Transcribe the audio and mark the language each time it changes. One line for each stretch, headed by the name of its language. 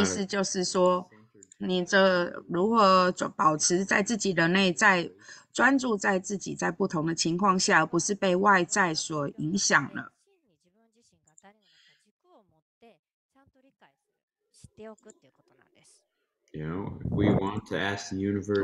Chinese: 意思就是说，你这如何保持在自己的内在，专注在自己，在不同的情况下，而不是被外在所影响了。
Japanese: 自分自身が誰なのか軸を持ってちゃんと理解する、知っておくっていうことなんです。
English: You know, we want to ask the universe.